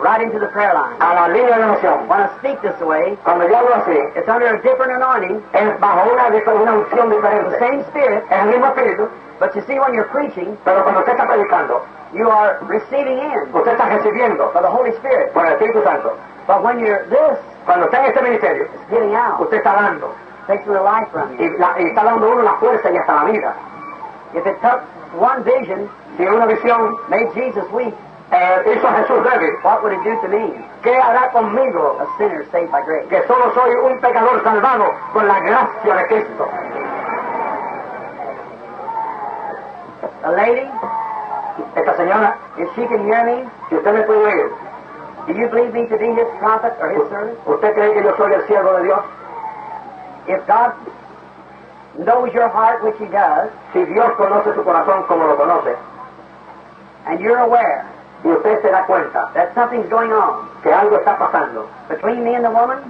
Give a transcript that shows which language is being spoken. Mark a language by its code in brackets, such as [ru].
[en] Right into the prayer line. [es] A la línea de oración. [en] When I speak this way, [es] cuando yo hablo así, [en] it's under a different anointing. [es] Es bajo una unción diferente. [en] The same spirit. [es] Es el mismo espíritu. [en] But you see, when you're preaching, [es] pero cuando usted está predicando, [en] you are receiving in. [es] Usted está recibiendo. [en] For the Holy Spirit. [es] Por el Espíritu Santo. [en] But when you're this, [es] cuando está en este ministerio, [en] it's getting out. [es] Usted está dando. [en] Takes the life from you. [es] Y está dando uno la fuerza y hasta la vida. [en] If it took one vision, [es] si una visión [en] made Jesus weak, [es] hizo a Jesús débil, [en] what would it do to me? [es] ¿Qué hará conmigo? [en] A sinner saved by grace. [es] Que solo soy un pecador salvado con la gracia de Cristo. [en] A lady, [es] esta señora, [en] if she can hear me, [es] si usted me puede oír, [en] do you believe me to be his prophet or his servant? [es] ¿Usted cree que yo soy el siervo de Dios? [en] If God knows your heart, which He does, [es] si Dios conoce tu corazón como lo conoce, [en] and you're aware, [es] y usted se da cuenta, [en] that something's going on, [es] que algo está pasando, [en] between me and the woman,